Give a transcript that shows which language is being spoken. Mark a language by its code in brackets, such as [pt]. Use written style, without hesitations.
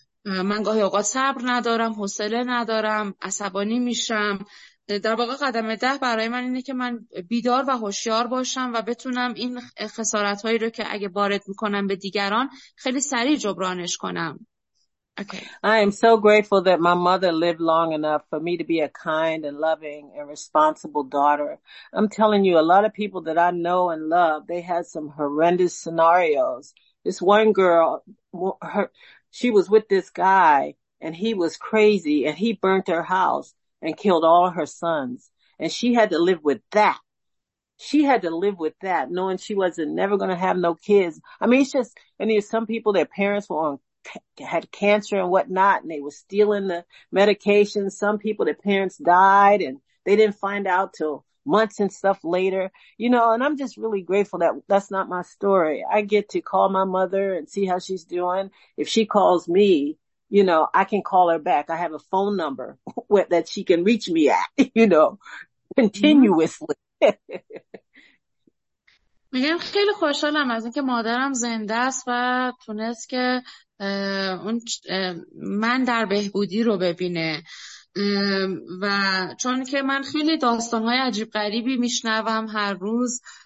[fa] من گاهی اوقات صبر ندارم، حوصله ندارم، عصبانی میشم. در واقع قدم 10 برای من اینه که من بیدار و هوشیار باشم و بتونم این خسارت هایی رو که اگه وارد میکنم به دیگران خیلی سریع جبرانش کنم. [en] Okay. I am so grateful that my mother lived long enough for me to be a kind and loving and responsible daughter. I'm telling you, a lot of people that I know and love, they had some horrendous scenarios. This one girl, she was with this guy and he was crazy and he burnt her house and killed all her sons. And she had to live with that. She had to live with that, knowing she wasn't never going to have no kids. I mean, it's just, and there's some people, their parents were on, had cancer and whatnot, and they were stealing the medication. Some people, their parents died and they didn't find out till months and stuff later, you know. And I'm just really grateful that that's not my story. I get to call my mother and see how she's doing. If she calls me, you know, I can call her back. I have a phone number that she can reach me at, you know, continuously. [fa] میگم خیلی خوشحالم از اینکه مادرم زنده است و تونست که اون من در بهبودی رو ببینه، و چون که من خیلی داستانهای عجیب غریبی میشنوم هر روز